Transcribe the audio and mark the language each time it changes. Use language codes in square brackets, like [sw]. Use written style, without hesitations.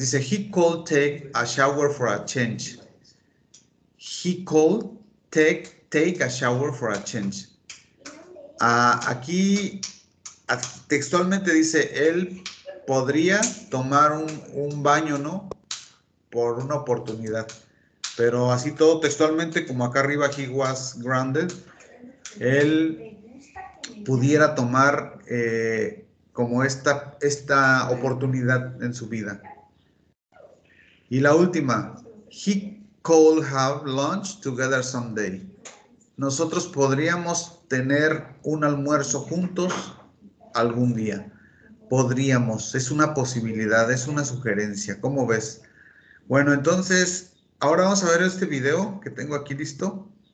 [es] Dice, [en] he could take a shower for a change. He could take a shower for a change. [es] Aquí textualmente dice, él podría tomar un baño, ¿no? Por una oportunidad. Pero así todo textualmente, como acá arriba, [en] he was grounded. [es] Él pudiera tomar como esta oportunidad en su vida. Y la última, [en] he could have lunch together someday. [es] Nosotros podríamos tener un almuerzo juntos algún día. Podríamos, es una posibilidad, es una sugerencia. ¿Cómo ves? Bueno, entonces, ahora vamos a ver este video que tengo aquí listo.